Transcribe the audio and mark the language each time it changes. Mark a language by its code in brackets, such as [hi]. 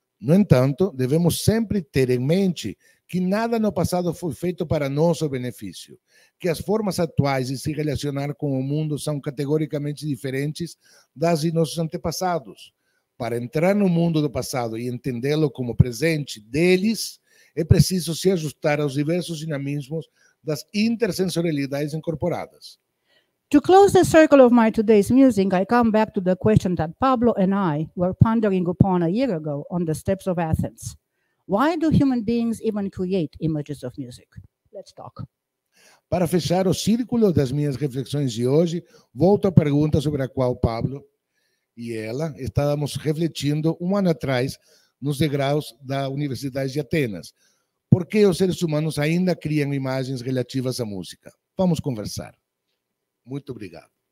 [pt] No entanto, devemos sempre ter em mente que nada no passado foi feito para nosso benefício, que as formas atuais de se relacionar com o mundo são categoricamente diferentes das de nossos antepassados. Para entrar no mundo do passado e entendê-lo como presente deles, é preciso se ajustar aos diversos dinamismos das intersensorialidades incorporadas. [en] To close the circle of my today's musing, I come back to the question that Pablo and I were pondering upon a year ago on the steps of Athens. Why do human beings even create images of music? Let's talk. [pt] Para fechar o círculo das minhas reflexões de hoje, volto à pergunta sobre a qual Pablo e ela estávamos refletindo um ano atrás nos degraus da Universidade de Atenas. Por que os seres humanos ainda criam imagens relativas à música? Vamos conversar. Muito obrigado.